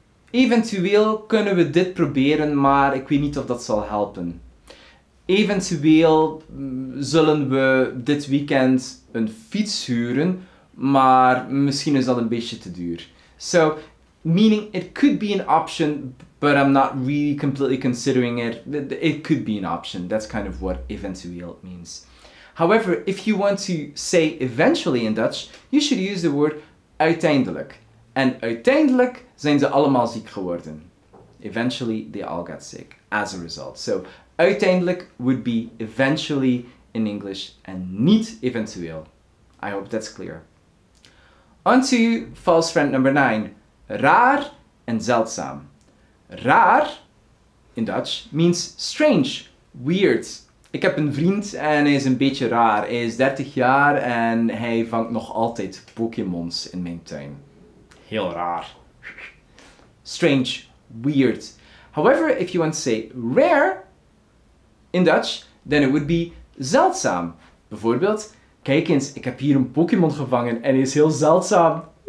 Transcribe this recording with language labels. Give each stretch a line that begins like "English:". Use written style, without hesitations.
Dutch: Eventueel kunnen we dit proberen, maar ik weet niet of dat zal helpen. Eventueel zullen we dit weekend een fiets huren, maar misschien is dat een beetje te duur. So,
English: Meaning it could be an option, but I'm not really completely considering it. It could be an option. That's kind of what eventueel means. However, if you want to say eventually in Dutch, you should use the word uiteindelijk.
Dutch: And uiteindelijk zijn ze allemaal ziek geworden.
English: Eventually, they all got sick as a result. So, uiteindelijk would be eventually in English and niet eventueel. I hope that's clear. On to false friend number 9.
Dutch: Raar en zeldzaam.
English: Raar in Dutch means strange, weird.
Dutch: Ik heb een vriend en hij is een beetje raar. Hij is 30 jaar en hij vangt nog altijd Pokémons in mijn tuin. Heel raar.
English: Strange, weird. However, if you want to say rare in Dutch, then it would be zeldzaam.
Dutch: Bijvoorbeeld, kijk eens, ik heb hier een Pokémon gevangen en hij is heel zeldzaam.